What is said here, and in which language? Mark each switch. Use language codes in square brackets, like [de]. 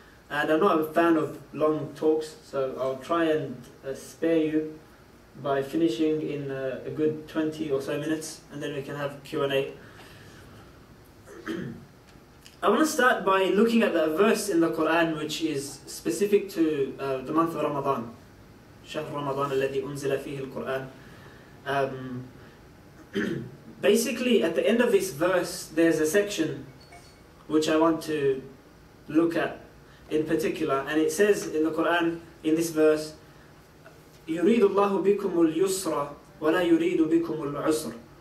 [en] And I'm not a fan of long talks, so I'll try and spare you by finishing in a good 20 or so minutes, and then we can have Q&A. I want to start by looking at the verse in the Quran which is specific to the month of Ramadan. [ar] شهر رمضان الذي أنزل فيه القرآن. [en] Basically, at the end of this verse, there's a section which I want to look at in particular, and it says in the Quran in this verse, [ar] يريد الله بكم اليسر ولا يريد بكم العسر.